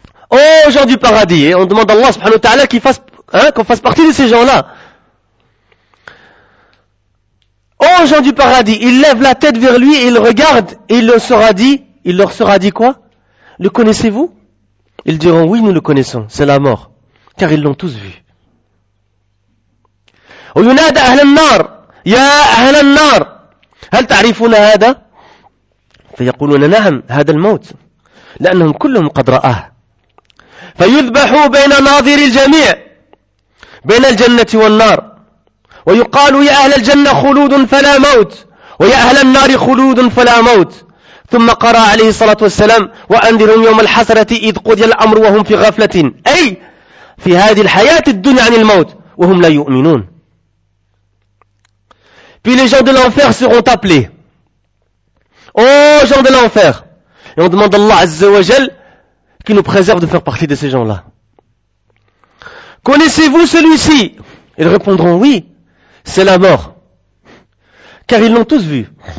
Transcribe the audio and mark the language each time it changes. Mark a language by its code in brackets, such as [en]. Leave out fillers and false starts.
[fr] Oh, gens du paradis. Et on demande à Allah subhanahu wa ta'ala qu'on fasse partie de ces gens-là. Oh, gens du paradis. Il lève la tête vers lui et il regarde et il leur sera dit quoi? Le connaissez-vous? Ils diront oui, nous le connaissons. C'est la mort. Car ils l'ont tous vu. [ar] وينادى أهل النار يا أهل النار هل تعرفون هذا؟ فيقولون نعم هذا الموت، لأنهم كلهم قد رآه. فيذبحوا بين ناظر الجميع بين الجنة والنار، ويقال يا أهل الجنة خلود فلا موت، ويا أهل النار خلود فلا موت. ثم قرأ عليه الصلاة والسلام وأنذرهم يوم الحسرة إذ قضي الأمر وهم في غفلة، أي في هذه الحياة الدنيا عن الموت وهم لا يؤمنون. [fr] Puis les gens de l'enfer seront appelés. Oh, gens de l'enfer. Et on demande à Allah Azza wa Jal qu'il nous préserve de faire partie de ces gens-là. Connaissez-vous celui-ci? Ils répondront oui, c'est la mort. Car ils l'ont tous vu.